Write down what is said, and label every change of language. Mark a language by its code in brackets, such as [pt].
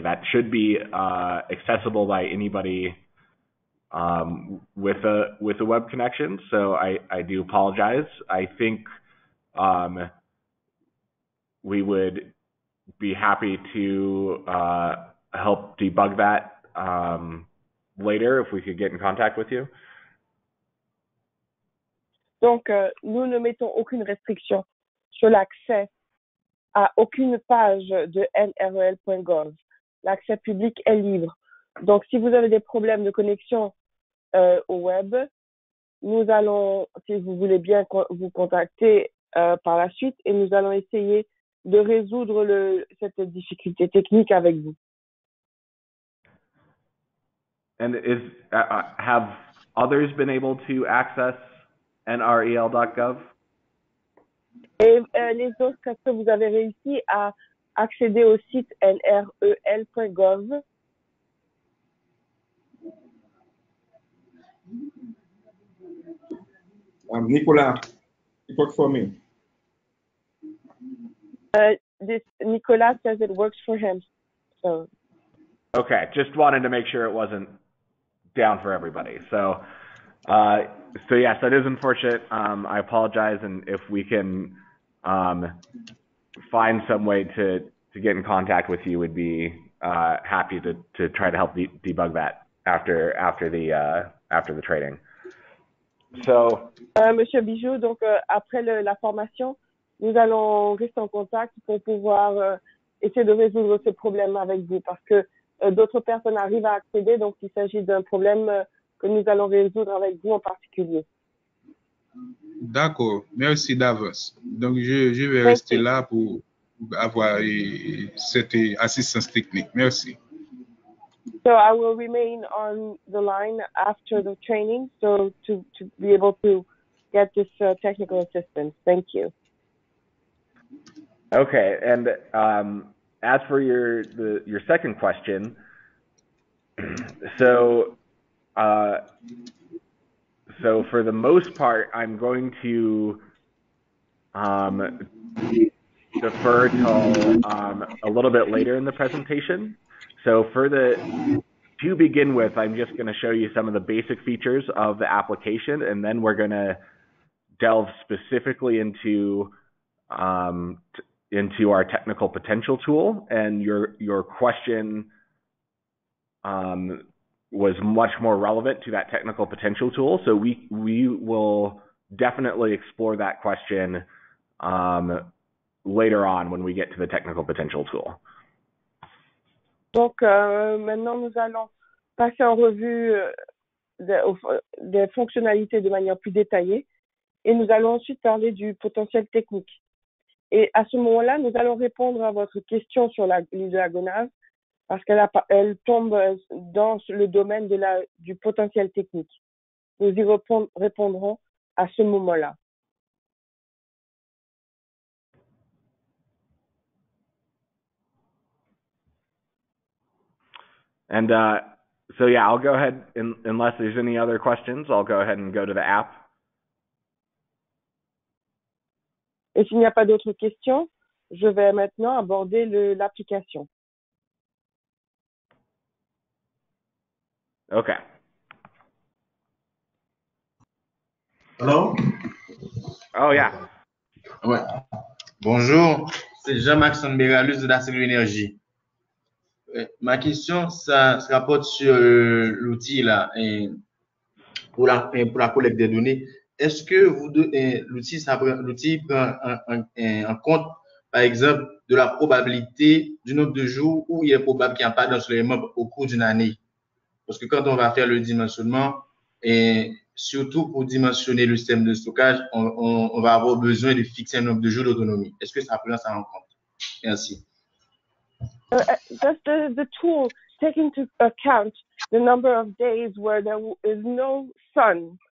[en] That should be accessible by anybody with a web connection. So I do apologize. I think we would be happy to help debug that later if we could get in contact with you. [fr] Donc, nous ne mettons aucune restriction sur l'accès à aucune page de NREL.gov. L'accès public est libre. Donc, si vous avez des problèmes de connexion au web, nous allons, si vous voulez bien, vous contacter par la suite et nous allons essayer de résoudre cette difficulté technique avec vous. [en] And have others been able to access NREL.gov? [fr] Et les autres, est-ce que vous avez réussi à accéder au site NREL.gov? [en] Nicolas, it works for me. Nicolas says it works for him. So. Okay, just wanted to make sure it wasn't down for everybody. So yes, that is unfortunate. I apologize, and if we can find some way to get in contact with you, we'd be happy to try to help debug that after the training. So, [fr] Monsieur Bijoux, donc après la formation, nous allons rester en contact pour pouvoir essayer de résoudre ce problème avec vous, parce que d'autres personnes arrivent à accéder, donc il s'agit d'un problème que nous allons résoudre avec vous en particulier. D'accord, merci d'avance. Donc je vais rester là pour avoir cette assistance technique. Merci. [en] So I will remain on the line after the training, so to be able to get this technical assistance. Thank you. Okay, and as for your second question, so for the most part, I'm going to defer to a little bit later in the presentation. So to begin with, I'm just going to show you some of the basic features of the application, and then we're going to delve specifically into our technical potential tool. And your question was much more relevant to that technical potential tool, so we will definitely explore that question later on when we get to the technical potential tool. [fr] Donc maintenant nous allons passer en revue des fonctionnalités de manière plus détaillée, et nous allons ensuite parler du potentiel technique. Et à ce moment-là, nous allons répondre à votre question sur l'île de la Gonâve, parce qu'elle tombe dans le domaine du potentiel technique. Nous y répondrons à ce moment-là. [en] And so yeah, I'll go ahead, unless there's any other questions, I'll go ahead and go to the app. [fr] Et s'il n'y a pas d'autres questions, je vais maintenant aborder l'application. [en] Okay. Hello? Oh, yeah. [fr] Ouais. Bonjour, c'est Jean-Maxon Béralus de la Cellule Énergie. Ma question, ça se rapporte sur l'outil là, pour la collecte des données. Est-ce que vous, l'outil prend en compte, par exemple, de la probabilité du nombre de jours où il est probable qu'il n'y a pas d'ensoleillement au cours d'une année? Parce que quand on va faire le dimensionnement, et surtout pour dimensionner le système de stockage, on va avoir besoin de fixer un nombre de jours d'autonomie. Est-ce que ça prend ça en compte? Merci. [en] Does the tool take into account the number of days where there is no sun?